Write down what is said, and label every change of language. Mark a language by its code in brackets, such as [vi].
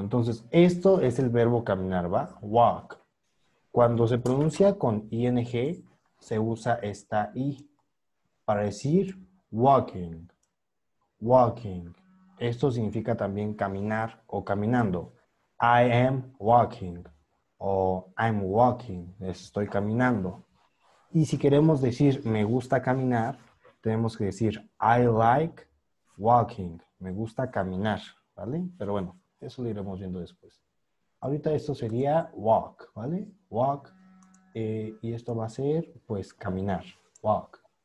[es] Entonces, esto es el verbo caminar, ¿va? Walk. Cuando se pronuncia con ing, se usa esta i para decir walking. Walking. Esto significa también caminar o caminando. [en] I am walking [es] o [en] I'm walking. [es] Estoy caminando. Y si queremos decir me gusta caminar, tenemos que decir [en] I like walking. [es] Me gusta caminar, ¿vale? Pero bueno, eso lo iremos viendo después. Ahorita esto sería walk, ¿vale? Walk. Y esto va a ser, pues, caminar. Walk.